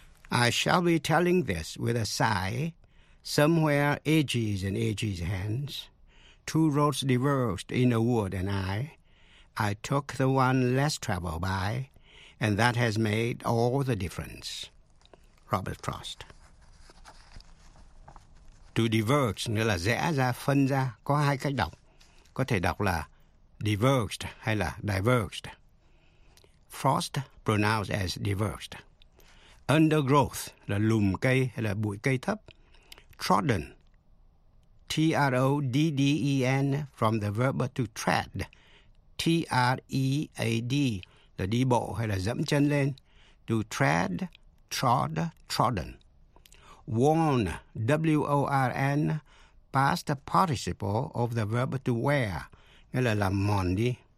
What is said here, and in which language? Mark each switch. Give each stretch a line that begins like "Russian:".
English: I shall be telling this with a sigh, somewhere ages and ages hence. Two roads diverged in a wood and I took the one less traveled by, and that has made all the difference. Robert Frost.
Vietnamese: To diverge nghĩa là rẽ ra, phân ra. Có hai cách đọc. Có thể đọc là diverged hay là diverged.
English: Frost pronounced as diverged.
Vietnamese: Undergrowth là lùm cây hay là bụi cây thấp.
English: Trodden. T-R-O-D-D-E-N from the verb to tread.
Vietnamese: T-R-E-A-D là đi bộ hay là dẫm chân lên.
English: To tread, trod, trodden. Worn, W-O-R-N, past participle of the verb to wear,
Vietnamese: nghĩa là làm mòn đi.